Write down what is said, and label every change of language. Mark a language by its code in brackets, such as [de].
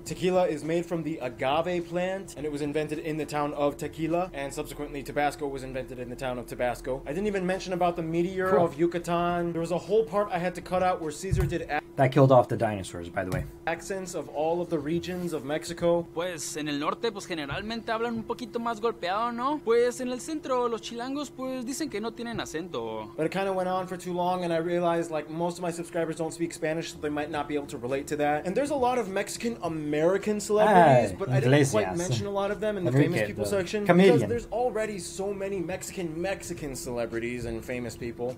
[en] Tequila is made from the agave plant, and it was invented in the town of Tequila, and subsequently Tabasco was invented in the town of Tabasco. I didn't even mention about the meteor of Yucatan. There was a whole part I had to cut out where Caesar did that killed off the dinosaurs, by the way. Accents of all of the regions of Mexico. [es] Pues, en el norte, pues generalmente hablan un poquito más golpeado, ¿no? Pues, en el centro, los chilangos, pues, dicen que no tienen acento. [en] But it kind of went on for too long, and I realized, like, most of my subscribers don't speak Spanish, so they might not be able to relate to that. And there's a lot of Mexican-American celebrities, but Iglesias. I didn't quite mention a lot of them in the famous people section. Comedian. Because there's already so many Mexican-Mexican celebrities and famous people.